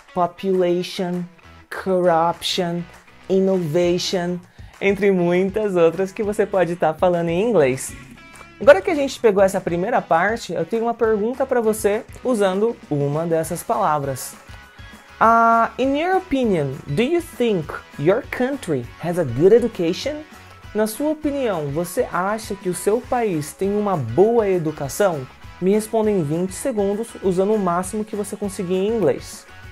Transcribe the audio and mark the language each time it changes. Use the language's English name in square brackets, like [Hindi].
[Portuguese] Population, corruption, innovation, entre muitas outras que você pode estar falando em inglês. Agora que a gente pegou essa primeira parte, eu tenho uma pergunta para você usando uma dessas palavras. [English] In your opinion, do you think your country has a good education? [Portuguese] Na sua opinião, você acha que o seu país tem uma boa educação? Me responda em 20 segundos, usando o máximo que você conseguir em inglês.